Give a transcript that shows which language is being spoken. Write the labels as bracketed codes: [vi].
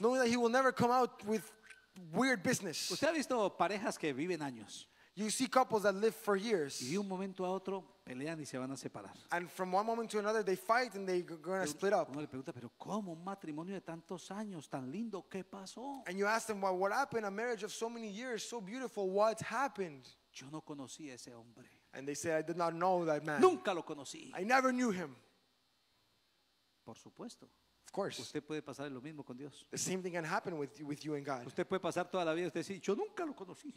[en] Knowing that he will never come out with weird business. [es] ¿Usted ha visto parejas que viven años? [en] You see couples that live for years. [es] Y de un momento a otro pelean y se van a separar. [en] And from one moment to another they fight and they're going to split up. [es] Uno le pregunta, pero cómo un matrimonio de tantos años tan lindo, ¿qué pasó? [en] And you ask them, well, what happened? A marriage of so many years, so beautiful, what happened? [es] Yo no conocí a ese hombre. [en] And they say, I did not know that man. [es] Nunca lo conocí. [en] I never knew him. [es] Por supuesto. [en] Of course. [es] Usted puede pasar lo mismo con Dios. [en] The same thing can happen with you and God. [es] Usted puede pasar toda la vida y decir, yo nunca lo conocí.